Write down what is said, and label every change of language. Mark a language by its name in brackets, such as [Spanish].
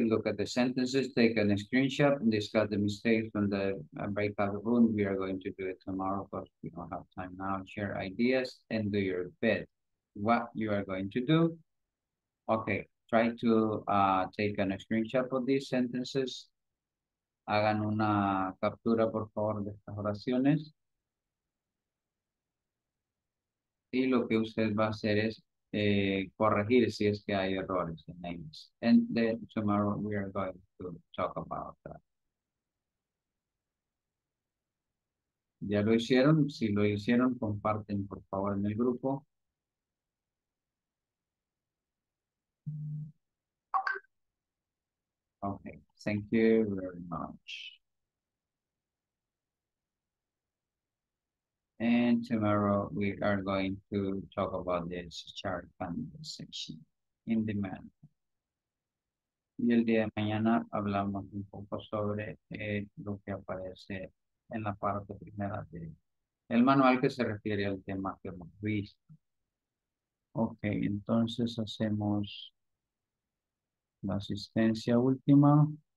[English] Look at the sentences, take a screenshot, and discuss the mistakes from the breakout room. We are going to do it tomorrow, but we don't have time now. Share ideas and do your best. What you are going to do, okay, try to take a screenshot of these sentences. [Spanish] Hagan una captura, por favor, de estas oraciones. Y lo que usted va a hacer es corregir si es que hay errores en inglés. [English] And then tomorrow we are going to talk about that. [Spanish] ¿Ya lo hicieron? Si lo hicieron, comparten por favor en el grupo. [English] Okay, thank you very much. And tomorrow we are going to talk about this chart conversation in demand. [Spanish] Y el día de mañana hablamos un poco sobre lo que aparece en la parte primera del manual que se refiere al tema que hemos visto. Ok, entonces hacemos la asistencia última.